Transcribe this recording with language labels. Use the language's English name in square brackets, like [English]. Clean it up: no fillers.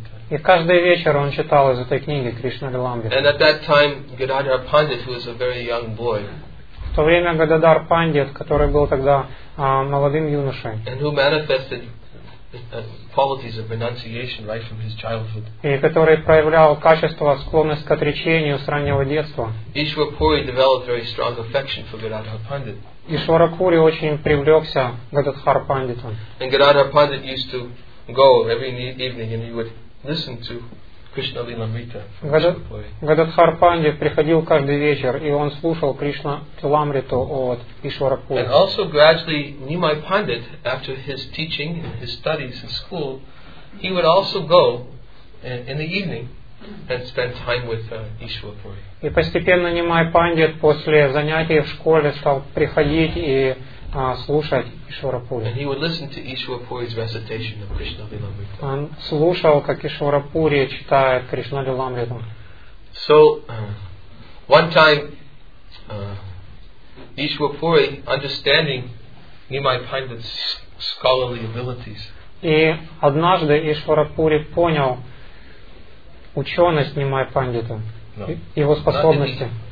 [Russian] И каждый вечер он читал из этой книги Кришна Лиламрита. [English] And at that time, Gadadhar Pandit, who was a very young boy, [Russian] в то время Гададар Пандит, который был тогда молодым юношей, [English] and who manifested qualities of renunciation right from his childhood, [Russian] и который проявлял качество склонность к отречению с раннего детства, [English] Ishwarapuri developed very strong affection for Gadadhar Pandit. [Russian] Ишварапури очень привлекся Гададхар Пандиту. [English] And Gadadhar Pandit used to go every evening and he would listen to Krishna Lilamrita. [Russian] Гададхар Панди приходил каждый вечер и он слушал Кришна Ламриту от Ишварапури. [English] And also gradually Nimai Pandit, after his teaching and his studies in school, he would also go in the evening and spend time with Ishwarapuri. [Russian] И постепенно Nimai Pandit после занятий в школе стал приходить и слушать Ишварапури. [English] And he would listen to Ishwarapuri's recitation of Krishna Lilamrita. [Russian] Он слушал, как Ишварапури читает Кришна Лиламриту. [English] So, one time, Ishwarapuri, understanding Nimai Pandit's scholarly abilities. [Russian] И однажды Ишварапури понял ученость Нимай Пандита, его способности.